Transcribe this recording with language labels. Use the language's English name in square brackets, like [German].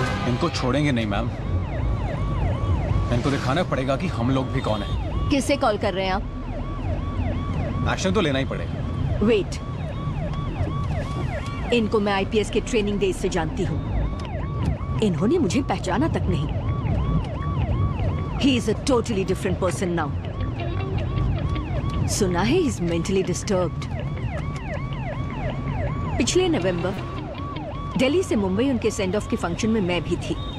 [Hindi] इनको छोड़ेंगे नहीं मैम, इनको दिखाना पड़ेगा कि हम लोग भी कौन है। किसे कॉल कर रहे हैं आप? एक्शन तो लेना ही पड़ेगा। वेट, इनको मैं आईपीएस के ट्रेनिंग डेज से जानती हूँ, इन्होंने मुझे पहचाना तक नहीं। [English] He is a totally different person now. [Hindi] सुना है [English] he's mentally disturbed. [Hindi] पिछले नवंबर दिल्ली से मुंबई उनके सेंड ऑफ के फंक्शन में मैं भी थी।